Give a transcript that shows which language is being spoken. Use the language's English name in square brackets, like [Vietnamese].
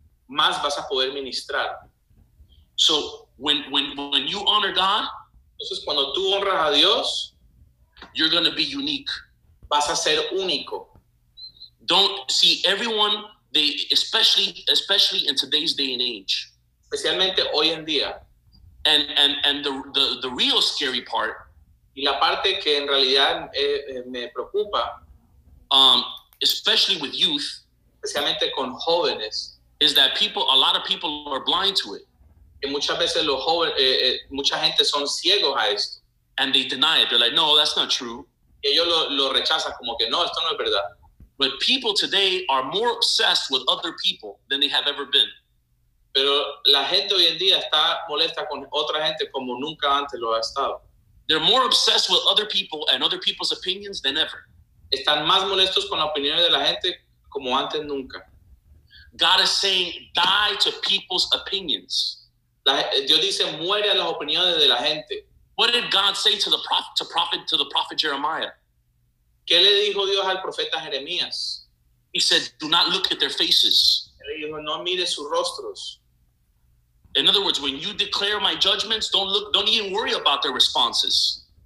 [Spanish] Más vas a poder ministrar. [English] So when you honor God, [Spanish] entonces cuando tú honras a Dios, [English] you're going to be unique. [Spanish] Vas a ser único. [English] Don't see everyone, especially in today's day and age. [Spanish] Especialmente hoy en día. [English] And the real scary part. [Spanish] Y la parte que en realidad me preocupa. [English] Especially with youth. [Spanish] Especialmente con jóvenes. [English] Is that a lot of people are blind to it. [Spanish] Y muchas veces los jóvenes, mucha gente son ciegos a esto. [English] And they deny it. They're like, no, that's not true. [Spanish] Y ellos lo rechazan como que no, esto no es verdad. [English] But people today are more obsessed with other people than they have ever been. [Spanish] Pero la gente hoy en día está molesta con otra gente como nunca antes lo ha estado. [English] They're more obsessed with other people and other people's opinions than ever. [Spanish] Están más molestos con la opinión de la gente como antes nunca. [English] God is saying, die to people's opinions. [Spanish] Dios dice, muere a las opiniones de la gente. [English] What did God say to the prophet Jeremiah? [Spanish] ¿Qué le dijo Dios al profeta Jeremías? [English] He said, do not look at their faces. [Spanish] Le dijo, no mire sus rostros. [English] In other words, when you declare my judgments, don't even worry about their responses.